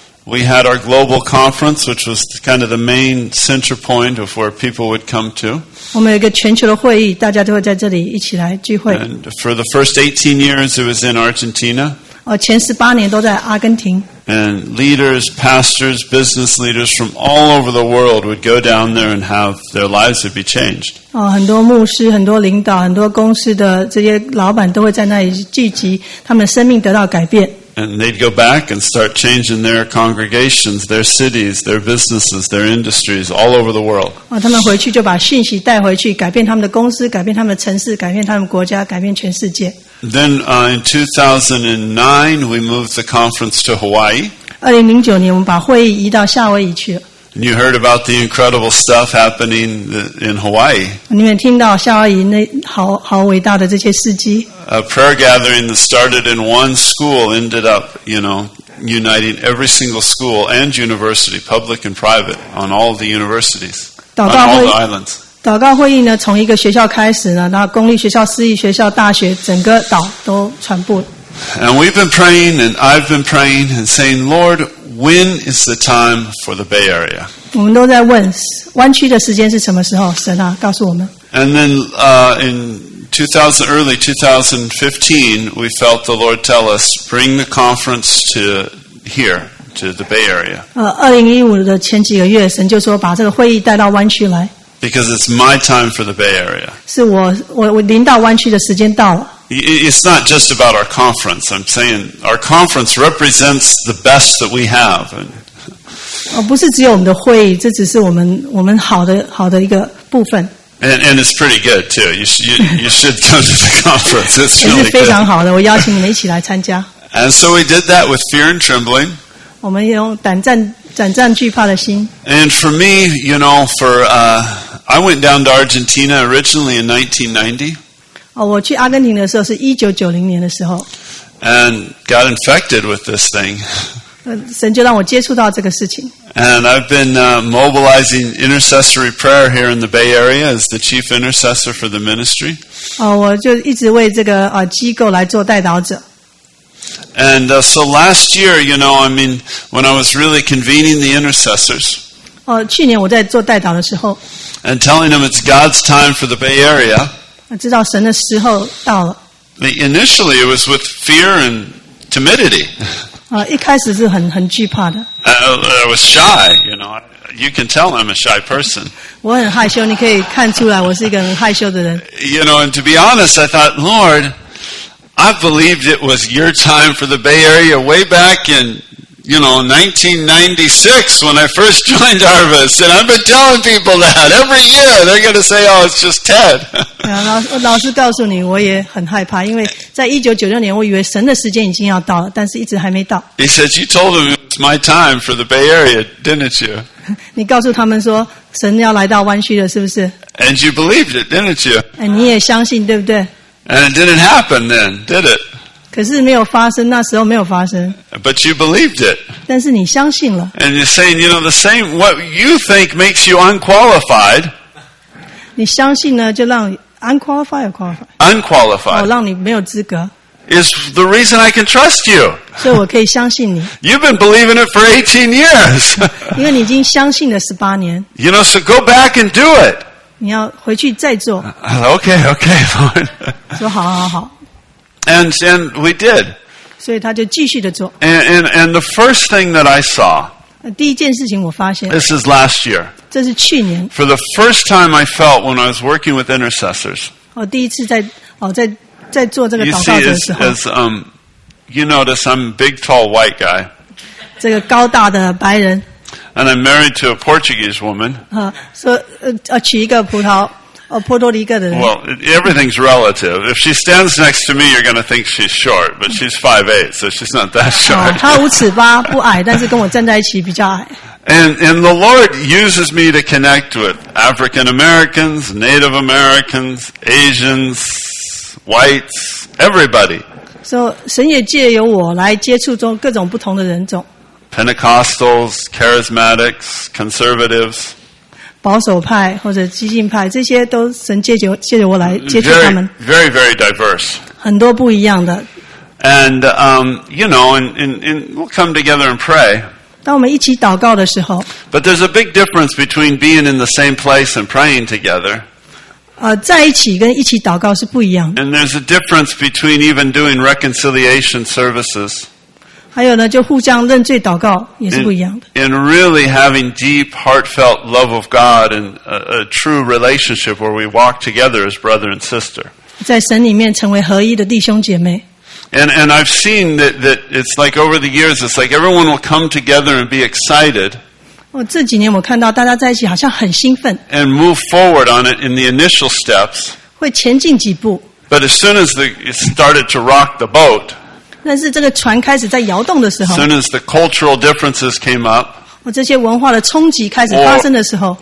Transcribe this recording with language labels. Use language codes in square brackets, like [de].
[en] We had our global conference, which was kind of the main center point of where people would come to. [zh] 我们有一个全球的会议，大家都会在这里一起来聚会。 [en] And for the first 18 years, it was in Argentina. [zh] 前18年都在阿根廷。 [en] And leaders, pastors, business leaders from all over the world would go down there and have their lives would be changed. [zh] 很多牧师、很多领导、很多公司的这些老板都会在那里聚集，他们的生命得到改变。 [en] And they'd go back and start changing their congregations, their cities, their businesses, their industries all over the world. [zh] 他们回去就把信息带回去，改变他们的公司，改变他们的城市，改变他们国家，改变全世界。 [en] Then in 2009, we moved the conference to Hawaii. [zh] 2009年我们把会议移到夏威夷去了。 [en] And you heard about the incredible stuff happening in Hawaii. [zh] 你们听到夏威夷那好伟大的这些事迹。 [en] A prayer gathering that started in one school ended up, you know, uniting every single school and university, public and private, on all the universities, on all the islands. [zh] 祷告会议呢，从一个学校开始呢，那公立学校、私立学校、大学，整个岛都传播。 [en] And we've been praying, and I've been praying, and saying, Lord, when is the time for the Bay Area? [zh] 我们都在问湾区的时间是什么时候？神啊，告诉我们。 [en] And then in early 2015, we felt the Lord tell us, bring the conference to here, to the Bay Area. [zh] 2015的前几个月，神就说把这个会议带到湾区来。 [en] Because it's my time for the Bay Area. [zh] 是我临到湾区的时间到了。 [en] It's not just about our conference. I'm saying our conference represents the best that we have. [zh] 不是只有我们的会议，这只是我们好的一个部分。 [en] And it's pretty good too. You should come to the conference. It's really good. [zh] 是非常好的，我邀请你们一起来参加。 [en] And so we did that with fear and trembling. [zh] 我们用胆战惧怕的心。 [en] And for me, you know, I went down to Argentina originally in 1990. [zh] 我去阿根廷的时候是1990年的时候。 [en] And got infected with this thing. [zh] 神就让我接触到这个事情。 [en] And I've been mobilizing intercessory prayer here in the Bay Area as the chief intercessor for the ministry. [zh] 我就一直为这个机构来做代祷者。 [en] And so last year, you know, I mean, when I was really convening the intercessors, [zh] 去年我在做代祷的时候。 [en] And telling them it's God's time for the Bay Area, [zh] 知道神的时候到了。 [en] Initially, it was with fear and timidity. [zh] 一开始是很惧怕的。 [en] I was shy, you know. You can tell I'm a shy person. [zh] 我很害羞，你可以看出来我是一个很害羞的人。 [en] You know, and to be honest, I thought, Lord, I believed it was your time for the Bay Area way back in, you know, 1996 when I first joined Harvest. And I've been telling people that every year. They're going to say, oh, it's just Ted. [zh] 老师告诉你我也很害怕因为在1996年我以为神的时间已经要到了但是一直还没到。 [en] He said, you told them it's my time for the Bay Area, didn't you? [zh] 你告诉他们说神要来到湾区了是不是 [en] And you believed it, didn't you? [zh] And 你也相信对不对 [en] And it didn't happen then, did it? [zh] 可是没有发生，那时候没有发生。 [en] But you believed it. [zh] 但是你相信了。 [en] And you're saying, you know, the same, what you think makes you unqualified. [zh] 你相信呢，就让 [en] unqualified or qualified? Unqualified. [zh] 让你没有资格。 [en] Is the reason I can trust you. [zh] 所以我可以相信你。 [en] You've been believing it for 18 years. [zh] 因为你已经相信了18年。 [en] You know, so go back and do it. [zh] 你要回去再做。 [en] Okay, okay, Lord. [zh] 说好好好。 [en] And we did. [zh] 所以他就继续的做。 [en] And the first thing that I saw. [zh] 第一件事情我发现。 [en] This is last year. [zh] 这是去年。 [en] For the first time I felt when I was working with intercessors. [zh] 第一次在做这个祷告的时候。 [en] You see, you notice I'm a big, tall, white guy. [zh] 这个高大的白人。 [en] And I'm married to a Portuguese woman. [zh] 娶一个葡萄。波多黎各的人 [en] well, everything's relative. If she stands next to me, you're going to think she's short, but she's 5'8", so she's not that short. [zh] 她五尺八不矮，但是跟我站在一起比较矮。 [en] And the Lord uses me to connect with African Americans, Native Americans, Asians, whites, everybody. [zh] So, 神也借由我来接触中各种不同的人种。 [en] Pentecostals, Charismatics, Conservatives. [zh] 保守派或者激进派，这些都神借着我来接触他们。 [en] Very, very diverse. [zh] 很多不一样的。 [en] And you know, and we'll come together and pray. [zh] 当我们一起祷告的时候。 [en] But there's a big difference between being in the same place and praying together. [zh] 在一起跟一起祷告是不一样的。 [en] And there's a difference between even doing reconciliation services. [zh] 还有呢，就互相认罪祷告也是不一样的。 [en] And really having deep, heartfelt love of God and a true relationship where we walk together as brother and sister. [zh] 在神里面成为合一的弟兄姐妹。 [en] And I've seen that it's like over the years, it's like everyone will come together and be excited. [zh] 这几年我看到大家在一起好像很兴奋。 [en] And move forward on it in the initial steps. [zh] 会前进几步。 [en] But as soon as it started to rock the boat. [zh] 但是这个船开始在摇动的时候 [en] as soon as the cultural differences came up, [zh] 这些文化的冲击开始发生的时候